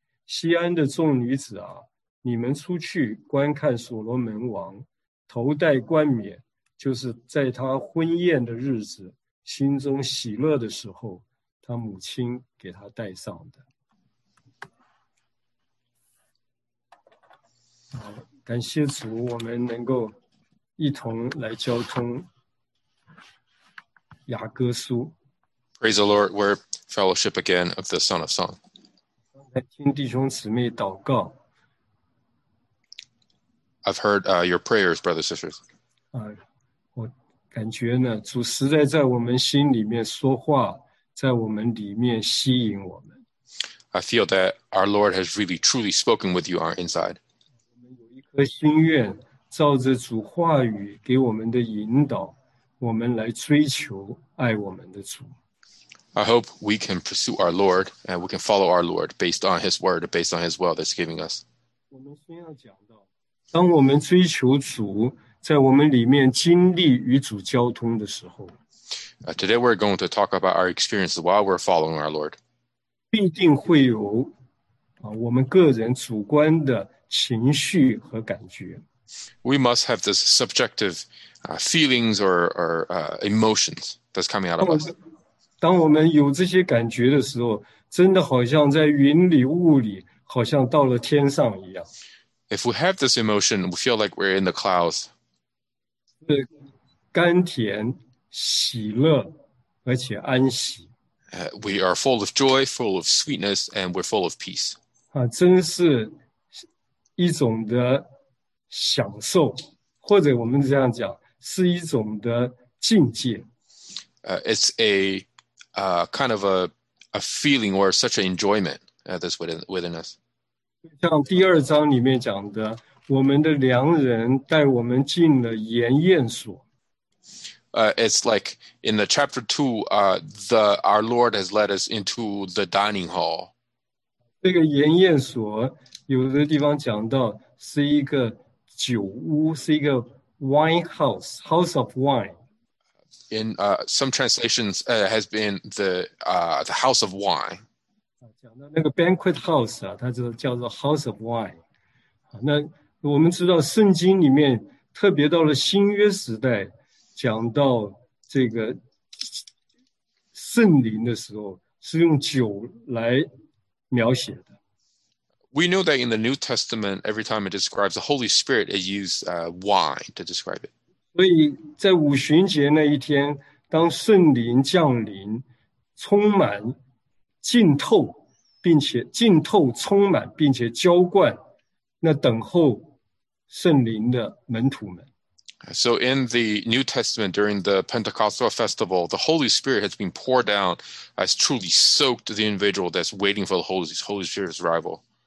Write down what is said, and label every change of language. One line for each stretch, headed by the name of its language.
Chinese: 西安的众女子啊，你们出去观看所罗门王，头戴冠冕，就是在他婚宴的日子，心中喜乐的时候，他母亲给他戴上的。好，感谢主，我们能够一同来交通雅歌书。
English: Praise the Lord, we're fellowship again of the Song of Song.
Chinese: 刚才听弟兄姊妹祷告，
English: I've heard, your prayers, brothers and sisters.
Chinese: 我感觉呢，主实在在我们心里面说话，在我们里面吸引我们。
English: I feel that our Lord has really truly spoken with you on our inside.
Chinese: 我们有一颗心愿。照着主话语给我们的引导，我们来追求爱我们的主。
English: I hope we can pursue our Lord and we can follow our Lord based on His word, based on His will that's giving us.
Chinese: 我们先要讲到，当我们追求主，在我们里面经历与主交通的时候，
English: Today we're going to talk about our experiences while we're following our Lord.
Chinese: 必定会有我们个人主观的情绪和感觉。
English: We must have this subjective feelings or emotions that's coming out of us.
Chinese: 当我们有这些感觉的时候，真的好像在云里雾里，好像到了天上一样。
English: If we have this emotion, we feel like we're in the clouds.
Chinese: 是甘甜、喜乐，而且安息。
English: We are full of joy, full of sweetness, and we're full of peace.
Chinese: 真是一种的享受，或者我们这样讲，是一种的境界。
English: It's a kind of a feeling or such an enjoyment that's within us.
Chinese: 像第二章里面讲的，我们的良人带我们进了筵宴所。
English: It's like in the chapter two, our Lord has led us into the dining hall.
Chinese: 这个筵宴所，有的地方讲到是一个酒屋，是一个
English: wine house of wine。 in some translations has been the house of wine.
Chinese: 那个
English: banquet house
Chinese: 啊, 它就叫做
English: house of wine.
Chinese: 那我们知道圣经里面特别到了新约时代, 讲到这个圣灵的时候, 是用酒来描写的。
English: We know that in the New Testament, every time it describes the Holy Spirit, it used wine to describe it.
Chinese: 所以在五旬节那一天, 当圣灵降临, 充满, 浸透, 并且浸透充满, 并且浇灌, 那等候圣灵的门徒们。
English: So in the New Testament, during the Pentecostal festival, the Holy Spirit has been poured down, has truly soaked the individual that's waiting for the Holy Spirit's arrival.